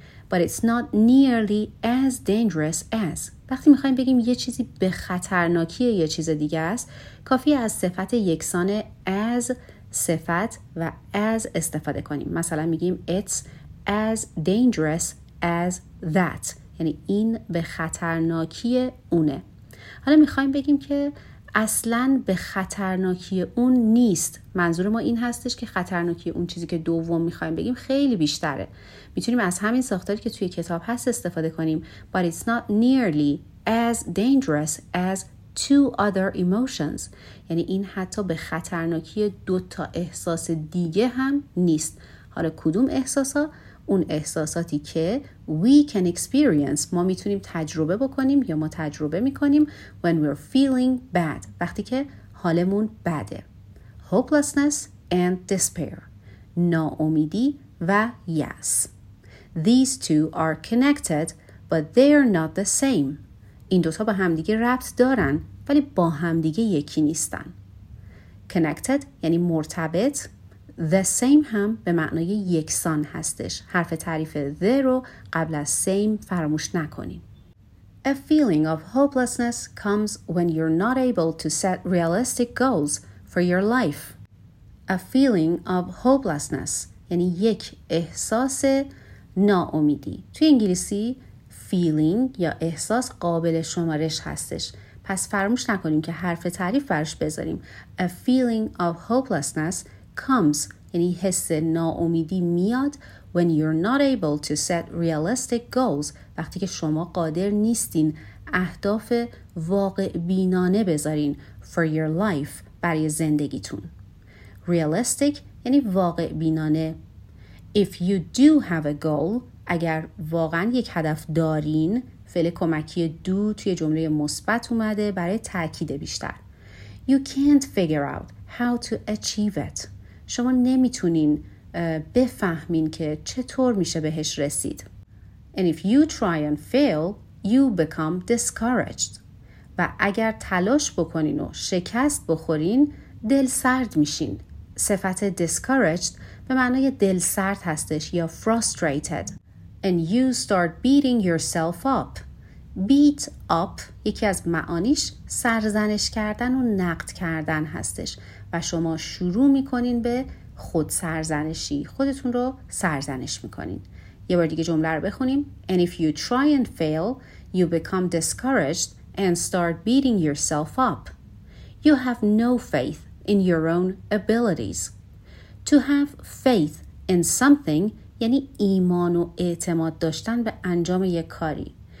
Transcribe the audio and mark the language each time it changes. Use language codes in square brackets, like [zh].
[en] But it's not nearly as dangerous as. [fa] وقتی میخواییم بگیم یه چیزی به خطرناکیه یه چیز دیگه است، کافی از صفت یکسان as صفت و as استفاده کنیم. مثلا میگیم [en] it's as dangerous as that. [fa] یعنی این به خطرناکی اونه. حالا میخواییم بگیم که اصلاً به خطرناکی اون نیست. منظور ما این هستش که خطرناکی اون چیزی که دوم می‌خوایم بگیم خیلی بیشتره. میتونیم از همین ساختاری که توی کتاب هست استفاده کنیم. [en] But it's not nearly as dangerous as two other emotions. [fa] یعنی این حتی به خطرناکی دو تا احساس دیگه هم نیست. حالا کدوم احساسا؟ اون احساساتی که [en] we can experience [fa] ما میتونیم تجربه بکنیم یا ما تجربه میکنیم [en] when we're feeling bad [fa] وقتی که حالمون بده. [en] Hopelessness and despair [fa] ناامیدی و یأس. [en] These two are connected but they are not the same. [fa] این دوتا با همدیگه ربط دارن ولی با همدیگه یکی نیستن. Connected یعنی مرتبط. The same هم به معنای یکسان هستش. حرف تعریف the رو قبل از same فراموش نکنیم. [en] A feeling of hopelessness comes when you're not able to set realistic goals for your life. A feeling of hopelessness [fa] یعنی یک احساس ناامیدی. توی انگلیسی feeling یا احساس قابل شمارش هستش. پس فراموش نکنیم که حرف تعریف برش بذاریم. [en] A feeling of hopelessness comes [fa] یعنی حس ناامیدی میاد [en] when you're not able to set realistic goals [fa] وقتی که شما قادر نیستین اهداف واقع بینانه بذارین [en] for your life [fa] برای زندگیتون. Realistic یعنی واقع بینانه. [en] If you do have a goal [fa] اگر واقعا یک هدف دارین، فعل کمکی do توی جمله مثبت اومده برای تاکید بیشتر. [en] You can't figure out how to achieve it. [fa] شما نمیتونین بفهمین که چطور میشه بهش رسید. [en] And if you try and fail, you become discouraged. [fa] و اگر تلاش بکنین و شکست بخورین، دل سرد میشین. صفت discouraged به معنای دل سرد هستش یا frustrated. [en] And you start beating yourself up. [fa] Beat up یکی از معانیش سرزنش کردن و نقد کردن هستش و شما شروع میکنین به خود سرزنشی، خودتون رو سرزنش میکنین. یه بار دیگه جمله رو بخونیم. [en] And if you try and fail, you become discouraged and start beating yourself up. You have no faith in your own abilities. To have faith in something [fa] یعنی ایمان و اعتماد داشتن به انجام یک کاری.